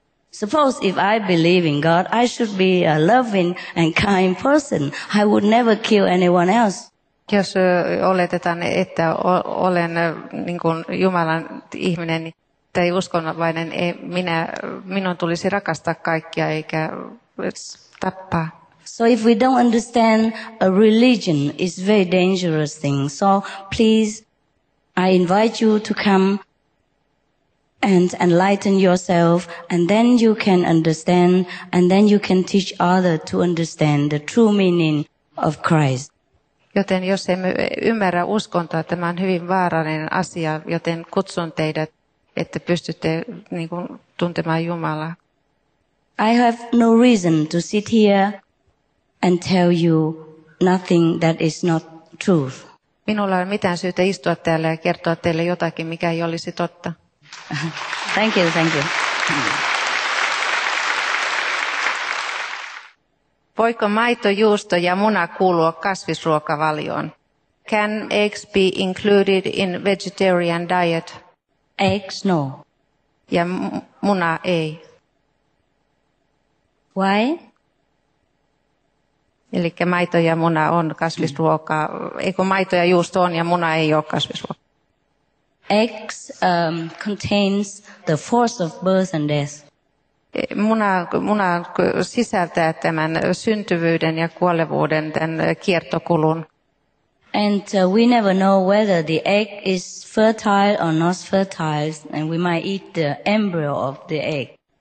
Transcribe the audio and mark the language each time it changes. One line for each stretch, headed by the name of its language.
English: Suppose if I believe in God, I should be a loving and kind person. I would never kill anyone else.
Finnish: Jos oletetaan, että olen niin kuin Jumalan ihminen tai uskonnollinen, minun tulisi rakastaa kaikkia eikä tappaa.
English: So if we don't understand a religion, it's a very dangerous thing. So please, I invite you to come and enlighten yourself, and then you can understand, and then you can teach others to understand the true meaning of Christ.
Finnish: Joten jos emme ymmärrä uskontoa, tämä on hyvin vaarallinen asia, joten kutsun teidät, että pystytte niin kuin, tuntemaan Jumalaa.
English: I have no reason to sit here and tell you nothing that is not truth.
Finnish: Minulla ei ole mitään syytä istua täällä ja kertoa teille jotakin, mikä ei olisi totta.
English: Thank you, thank you.
Finnish: Voiko maito, juusto ja muna kuulua kasvisruokavalioon?
English: Can eggs be included in vegetarian diet? Eggs, no.
Finnish: Ja muna ei.
English: Why?
Finnish: Eli maito ja muna on kasvisruokaa. Eikö maito ja juusto on ja muna ei ole kasvisruokaa?
English: Eggs contains the force of birth and death.
Finnish: Muna sisältää tämän syntyvyyden ja kuolevuuden, tämän kiertokulun.
English: And we never know whether the egg is fertile or not fertile, and we might eat the embryo of the egg.